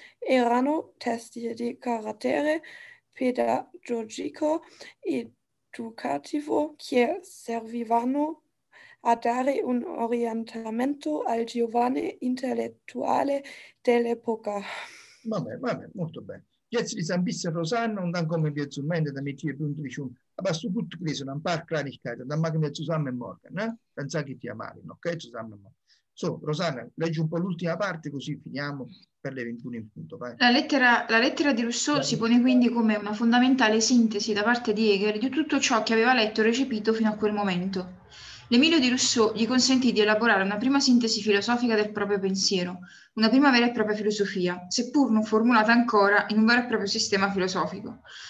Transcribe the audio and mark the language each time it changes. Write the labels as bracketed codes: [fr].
[it] Erano testi di carattere pedagogico educativo che servivano a dare un orientamento al giovane intellettuale dell'epoca. Va bene, molto bene. [de] Jetzt ist ein bisschen Rosanna und dann kommen wir zum Ende, damit hier punto di schon. Aber so gut gelesen, ein paar Kleinigkeiten, dann machen wir zusammen morgen, ne? Dann sage ich dir Marin, ok? Zusammen morgen. [it] So, Rosanna, leggi un po' l'ultima parte così finiamo per le 21 in punto. Vai. La lettera di Rousseau si pone quindi come una fondamentale sintesi da parte di Hegel di tutto ciò che aveva letto e recepito fino a quel momento. L'Emilio di Rousseau gli consentì di elaborare una prima sintesi filosofica del proprio pensiero, una prima vera e propria filosofia, seppur non formulata ancora in un vero e proprio sistema filosofico.